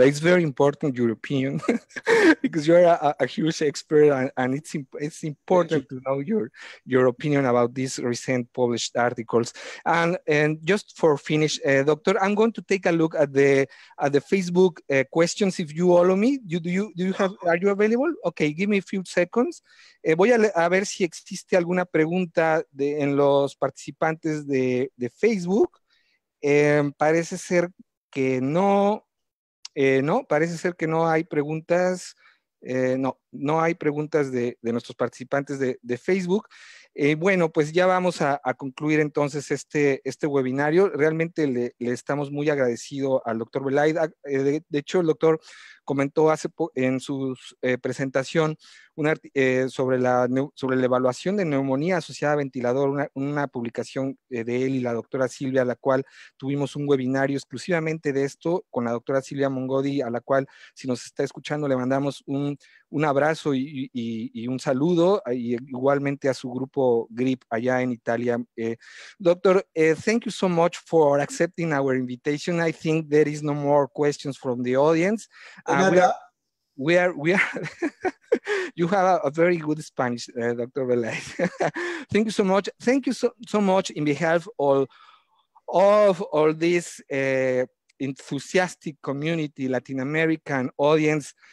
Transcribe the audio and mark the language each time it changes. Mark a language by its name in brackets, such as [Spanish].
[English] It's very important, your opinion, because you're a huge expert, and it's important to know your opinion about these recent published articles. And just for finish, Doctor, I'm going to take a look at the Facebook questions, if you allow me. Are you available? Okay, give me a few seconds. [Spanish] Voy a ver si existe alguna pregunta en los participantes de Facebook. Parece ser que no, parece ser que no hay preguntas, no hay preguntas de nuestros participantes de Facebook. Bueno, pues ya vamos a concluir entonces este webinario. Realmente le estamos muy agradecido al doctor Belaid. De hecho, el doctor comentó hace en su presentación sobre la evaluación de neumonía asociada a ventilador, una publicación de él y la doctora Silvia, a la cual tuvimos un webinario exclusivamente de esto con la doctora Silvia Mongodi, a la cual, si nos está escuchando, le mandamos un abrazo y un saludo, y igualmente a su grupo GRIP allá en Italia. [English] Doctor, thank you so much for accepting our invitation. I think there is no more questions from the audience. We are you have a very good Spanish, Dr. Belaid. Thank you so much. Thank you so much in behalf of all this enthusiastic community, Latin American audience.